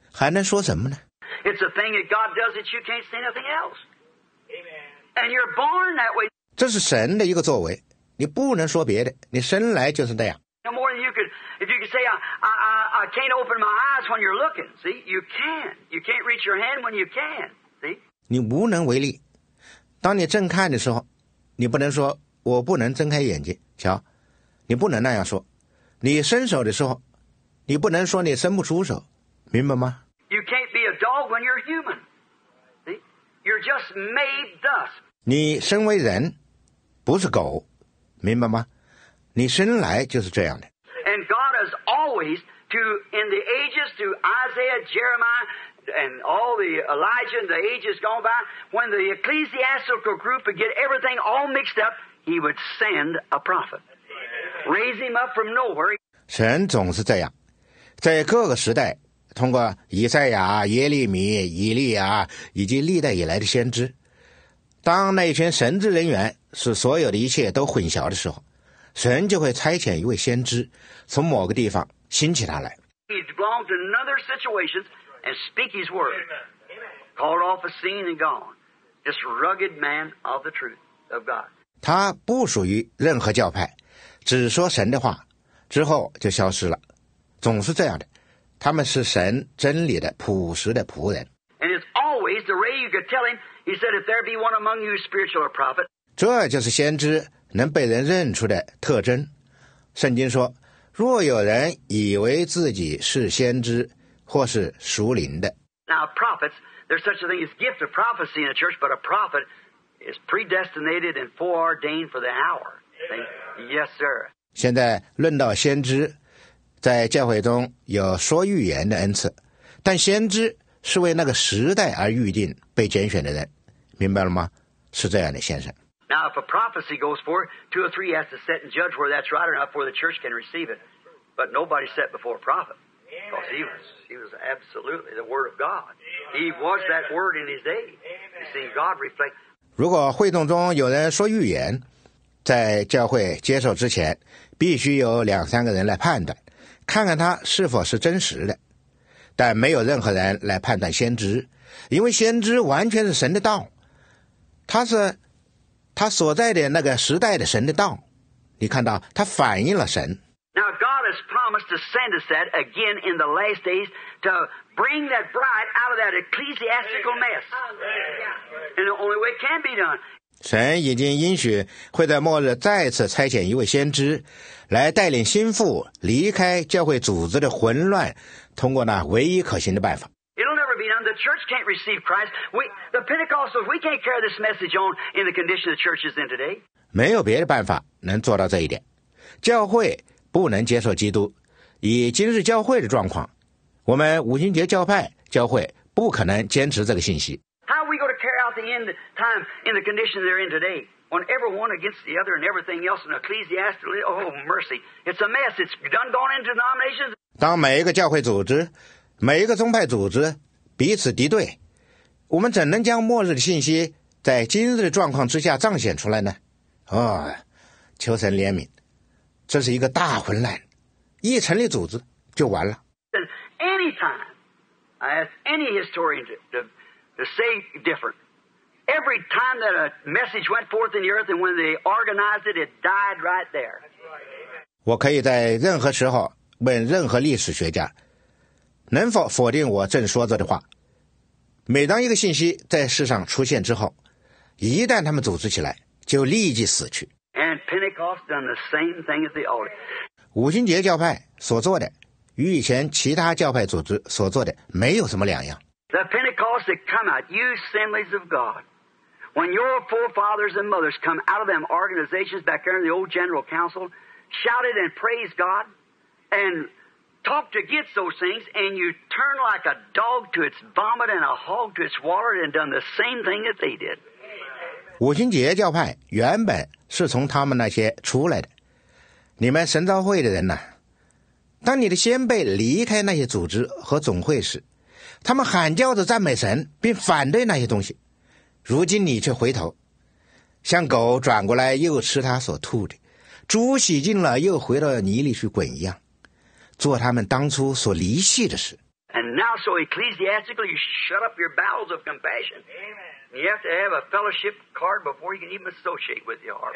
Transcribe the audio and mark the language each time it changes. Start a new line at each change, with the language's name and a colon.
Chinese: 还能说什么呢？
English: It's a thing that God does that you can't say nothing else. Amen. And you're born that way.
Chinese: 这是神的一个作为，你不能说别的，你生来就是这样。
English: No more than you could, if you could say, I can't open my eyes when you're looking. See, you can. You can't reach your hand when you can. See.
Chinese: 你无能为力，当你正看的时候，你不能说我不能睁开眼睛瞧，你不能那样说。你伸手的时候，你不能说你伸不出手。明白吗？
English: You can't be a dog when you're human. See? You're just made thus.
Chinese: 你身为人，不是狗，明白吗？你生来就是这样的。
English: And God has always, to in the ages, to Isaiah, Jeremiah, and all the Elijah, and the ages gone by, when the ecclesiastical group would get everything all mixed up, He would send a prophet. raise him up from nowhere.
Chinese: 神总是这样，在各个时代，通过以赛亚、耶利米、以利亚以及历代以来的先知，当那群神职人员使所有的一切都混淆的时候，神就会差遣一位先知从某个地方兴起他来。
English: He belongs to another situation and speak his word. Called off a scene and gone. This rugged man of the truth of God.
Chinese: 他不属于任何教派，只说神的话，之后就消失了。总是这样的，他们是神真理的朴实的仆人。
English: And it's always the way you could tell him. He said, "If there be one among you spiritual or prophet."
Chinese: 这就是先知能被人认出的特征。圣经说，若有人以为自己是先知或是属灵的。
English: Now prophets, there's such a thing as gift of prophecy in a church, but a prophet is predestinated and foreordained for the hour. Yes, sir.
Chinese: 现在论到先知，在教会中有说预言的恩赐，但先知是为那个时代而预定被拣选的人，明白了吗？是这样的，先生。
English: Now, if a prophecy goes for two or three, has to set and judge where that's right or not before the church can receive it. But nobody set before a prophet, because he was absolutely the word of God. He was that word in his day. You see, God reflect.
Chinese: 如果会众中有人说预言，在教会接受之前，必须有两三个人来判断，看看他是否是真实的。但没有任何人来判断先知，因为先知完全是神的道，他是他所在的那个时代的神的道，你看到他反映了神。
English: Now God has promised to send us that again in the last days to bring that bride out of that ecclesiastical mess. And the only way it can be done.
Chinese: 神已经应许会在末日再次差遣一位先知来带领心腹离开教会组织的混乱，通过那唯一可行的办法。
English: It'll never be done. The church can't receive Christ. We, the Pentecostals, we can't carry this message on in the condition the church is in today.
Chinese: 没有别的办法能做到这一点。教会不能接受基督，以今日教会的状况，我们五旬节教派教会不可能坚持这个信息。
English: How are we going to carry out the end time in the condition they're in today? When everyone against the other and everything else, and ecclesiastically, oh mercy, it's a mess. It's done gone into denominations.
Chinese: 当每一个教会组织每一个宗派组织彼此敌对，我们怎能将末日的信息在今日的状况之下彰显出来呢？哦，求神怜悯，这是一个大混乱，一成立组织就完了。
English: Anytime I ask any historian to say different, every time that a message went forth in the earth and when they organized it, it died right there.
Chinese: 我可以在任何时候问任何历史学家能否否定我正说着的话，每当一个信息在世上出现之后，一旦他们组织起来就立即死去。
English: And Pentecost done the same thing as the old.
Chinese: 五旬节教派所做的与以前其他教派组织所做的没有什么两样。
English: The Pentecost that come out, you assemblies of God, when your forefathers and mothers come out of them organizations back there in the old general council, shouted and praised God, andTalk to get those things, and you turn like a dog to its vomit and a hog to its water, and done the same thing that they did.
Chinese: 五旬节教派原本是从他们那些出来的，你们神召会的人呐，当你的先辈离开那些组织和总会时，他们喊叫着赞美神，并反对那些东西。如今你却回头，像狗转过来又吃他所吐的，猪洗净了又回到泥里去滚一样。做他们当初所离弃的事。
English: And now, so ecclesiastically, you shut up your bowels of compassion. Amen. You have to have a fellowship card before you can even associate with your heart.